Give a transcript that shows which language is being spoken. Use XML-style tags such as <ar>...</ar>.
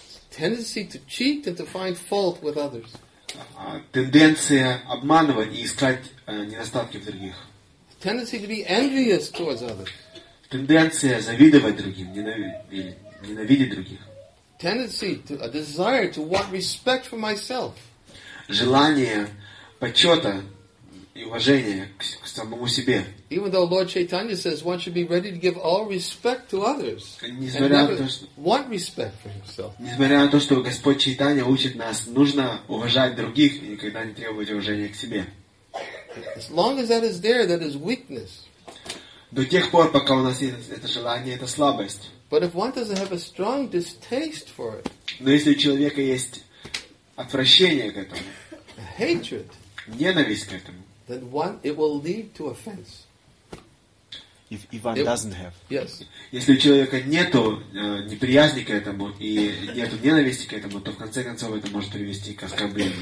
<en>Tendency to cheat and to find fault with others.</en> <ru>Тенденция обманывать и искать недостатки в других.</ru> <en>Tendency to be envious towards others.</en> <ru>Тенденция завидовать другим, ненавидеть других.</ru> <en>Tendency to a desire to want respect for myself.</en> <ru>Желание почета и уважения к самому себе.</ru> <en>Even though Lord Chaitanya says one should be ready to give all respect to others, want respect for himself.</en> <ru>Несмотря на то, что Господь Чайтанья учит нас, нужно уважать других и никогда не требовать уважения к себе.</ru> <en>As long as that is there, that is weakness.</en> <ru>До тех пор, пока у нас есть это желание, это слабость.</ru> <en>But if one doesn't have a strong distaste for it,</en> <ru>но если у человека есть отвращение к этому,</ru> <en>hatred,</en> <ru>ненависть к этому,</ru> <en>then one it will lead to offense. If one doesn't have. Yes.</en> <ru>Если у человека нету неприязни к этому и нету ненависти к этому, то в конце концов это может привести к оскорблению.</ru>